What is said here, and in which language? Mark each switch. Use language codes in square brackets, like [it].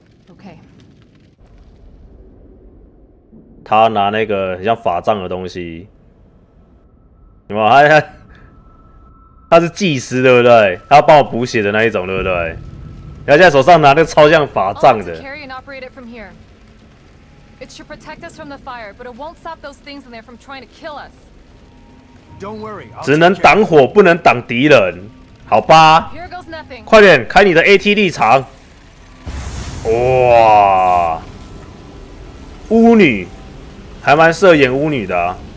[en] Okay. [zh] 他拿那个很像法杖的东西。什么？他是技师对不对？他要帮我补血的那一种对不对？他现在手上拿那个超像法杖的。 [en] Carry and operate it from here. It should protect us from the fire, but it won't stop those things in there from trying to kill us. Don't worry. [zh] 只能挡火，不能挡敌人，好吧？快点开你的 AT 立场！哇，巫女，还蛮适合演巫女的、啊。